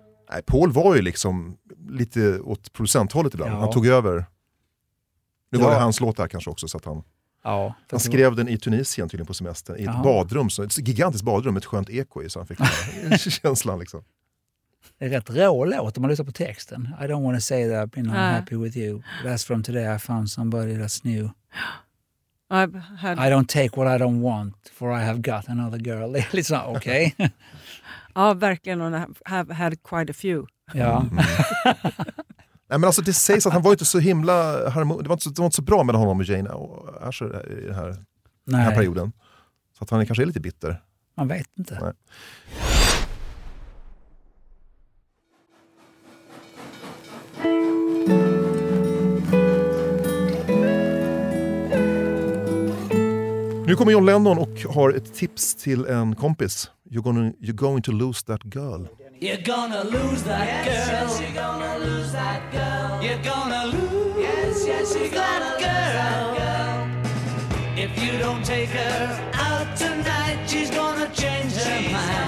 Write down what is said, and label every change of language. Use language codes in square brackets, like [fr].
[sv] Nej, Paul var ju liksom lite åt producenthållet ibland. Ja. Han tog över. Nu var det hans låt här kanske också. Så att han skrev den i Tunisien tydligen på semestern. I ett badrum. Så, ett gigantiskt badrum med ett skönt eko i. Så han fick känslan liksom. Det är rätt rå låt om man lyssnar på texten. [en] I don't want to say that I've been unhappy with you. That's from today I found somebody that's new. I don't take what I don't want, for I have got another girl. It's not okay. [sv] Ja, verkligen. Och [en] have had quite a few. [sv] Ja. Nej, men alltså det sägs att han var inte så himla det var inte så bra med honom och Jane och Asher i den här perioden. Så att han kanske är lite bitter. Man vet inte. Nej. Nu kommer John Lennon och har ett tips till en kompis. [en] You're going to lose that girl. You're gonna lose that girl. Yes, you're gonna lose that girl. You're gonna lose. Yes, you're gonna lose that girl. If you don't take her out tonight, she's gonna change her mind.